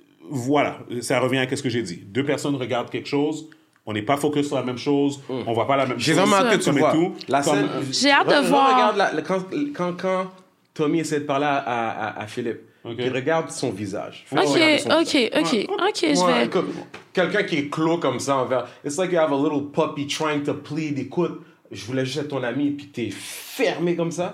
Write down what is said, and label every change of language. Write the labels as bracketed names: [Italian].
[French] Voilà, ça revient à ce que j'ai dit. Deux personnes regardent quelque chose. On n'est pas focus sur la même chose. On ne voit pas la même chose. J'ai vraiment hâte que tu vois. La scène, j'ai hâte de voir. Quand Tommy essaie de parler à Philippe, il regarde son visage. Ok, je vais... Quelqu'un qui est clos comme ça envers... [English] It's like you have a little puppy trying to plead. [French] Écoute, je voulais juste être ton ami, puis t'es fermé comme ça.